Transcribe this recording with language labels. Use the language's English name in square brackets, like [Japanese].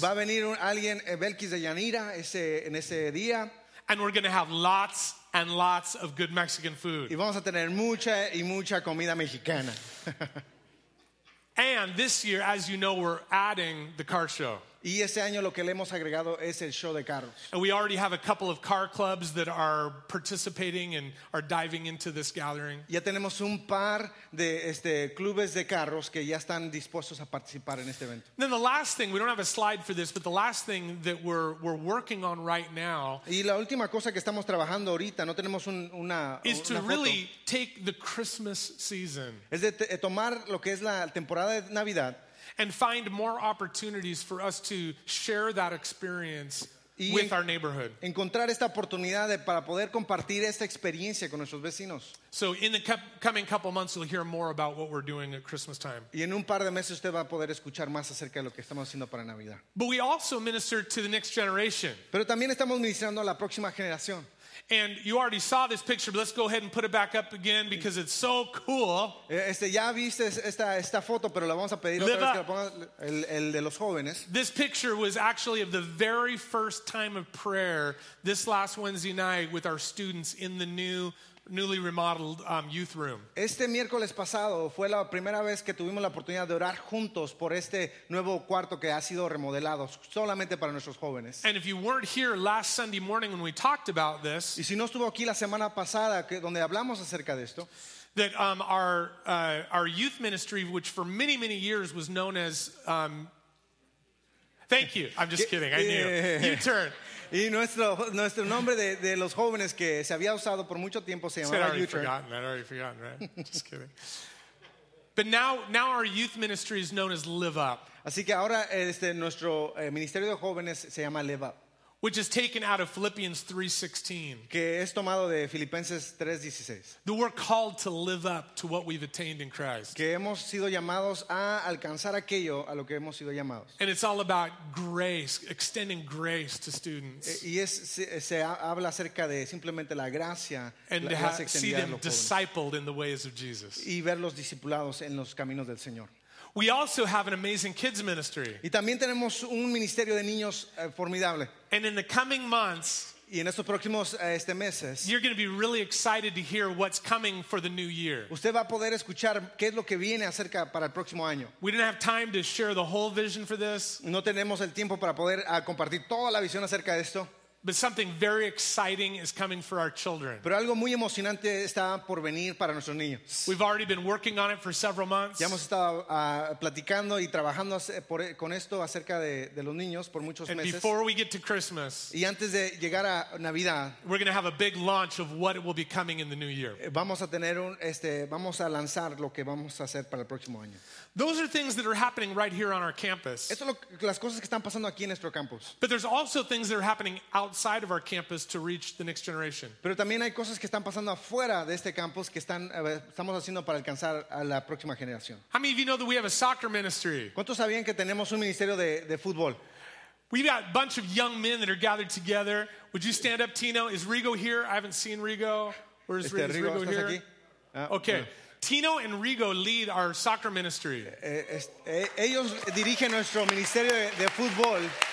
[Spanish] Va a venir alguien, Belkis de Llanera, en ese día. [English] And we're going to have lots and lots of good Mexican food. [Spanish] Y vamos a tener mucha y mucha comida mexicana. [English] And this year, as you know, we're adding the car show. [Spanish] Y este año lo que le hemos agregado es el show de carros. [English] And we already have a couple of car clubs that are participating and are diving into this gathering. [Spanish] Ya tenemos un par de clubes de carros que ya están dispuestos a participar en este evento. [English] Then the last thing, we don't have a slide for this, but the last thing that we're working on right now. [Spanish] Y la última cosa que estamos trabajando ahorita, no tenemos una foto. [English] Is to really take the Christmas season. [Spanish] Es de tomar lo que es la temporada de Navidad. [English] And find more opportunities for us to share that experience with our neighborhood. [Spanish] Encontrar esta oportunidad para poder compartir esta experiencia con nuestros vecinos. [English] So in the coming couple months, you'll hear more about what we're doing at Christmas time. [Spanish] Y en un par de meses usted va a poder escuchar más acerca de lo que estamos haciendo para Navidad. [English] But we also minister to the next generation. [Spanish] Pero también estamos ministrando a la próxima generación. [English] And you already saw this picture, but let's go ahead and put it back up again because it's so cool. [Spanish] Ya viste esta foto, pero la vamos a pedir otra vez que la pongas, el de los jóvenes. [English] This picture was actually of the very first time of prayer this last Wednesday night with our students in the newly remodeled youth room. [Spanish] Este miércoles pasado fue la primera vez que tuvimos la oportunidad de orar juntos por este nuevo cuarto que ha sido remodelado solamente para nuestros jóvenes. [English] And if you weren't here last Sunday morning when we talked about this, [Spanish] y si no estuvo aquí la semana pasada donde hablamos acerca de esto, [English] that our youth ministry, which for many many years was known as thank you. I'm just kidding. I knew. You turn. [Spanish] Y nuestro nombre de los jóvenes que se había usado por mucho tiempo se llamaba U-Turn. [English] I'd already forgotten, right? Just kidding. But now our youth ministry is known as Live Up. [Spanish] Así que ahora nuestro ministerio de jóvenes se llama Live Up. [English] Which is taken out of Philippians 3:16. [Spanish] Que es tomado de Filipenses 3:16. [English] That we're called to live up to what we've attained in Christ. [Spanish] Que hemos sido llamados a alcanzar aquello a lo que hemos sido llamados. [English] And it's all about grace, extending grace to students. [Spanish] Y se habla acerca de simplemente la gracia. [English] And to see them discipled in the ways of Jesus. [Spanish] Y verlos discipulados en los caminos del Señor. [English] We also have an amazing kids ministry. [Spanish] Y también tenemos un ministerio de niños formidable. [English] And in the coming months, [Spanish] y en estos próximos meses, [English] you're going to be really excited to hear what's coming for the new year. [Spanish] Usted va a poder escuchar qué es lo que viene acerca para el próximo año. [English] We didn't have time to share the whole vision for this. [Spanish] No tenemos el tiempo para poder compartir toda la visión acerca de esto. [English] But something very exciting is coming for our children. [Spanish] Pero algo muy emocionante está por venir para nuestros niños. [English] We've already been working on it for several months. [Spanish] Ya hemos estado platicando y trabajando con esto acerca de los niños por muchos [English] and [Spanish] meses. [English] Before we get to Christmas, [Spanish] y antes de llegar a Navidad, [English] we're going to have a big launch of what will be coming in the new year. [Spanish] Vamos a lanzar lo que vamos a hacer para el próximo año. [English] Those are things that are happening right here on our campus. [Spanish] Esto es las cosas que están pasando aquí en nuestro campus. [English] But there's also things that are happening outside of our campus to reach the next generation. [Spanish] Pero también hay cosas que están pasando afuera de este campus que estamos haciendo para alcanzar a la próxima generación. [English] How many of you know that we have a soccer ministry? [Spanish] ¿Cuántos sabían que tenemos un ministerio de fútbol? [English] We've got a bunch of young men that are gathered together. Would you stand up, Tino? Is Rigo here? I haven't seen Rigo. Where is Rigo? Rigo, is Rigo here? [Spanish] Aquí? [English] Okay. [Spanish] No. [English] Tino and Rigo lead our soccer ministry. [Spanish] Ellos dirigen nuestro ministerio de fútbol.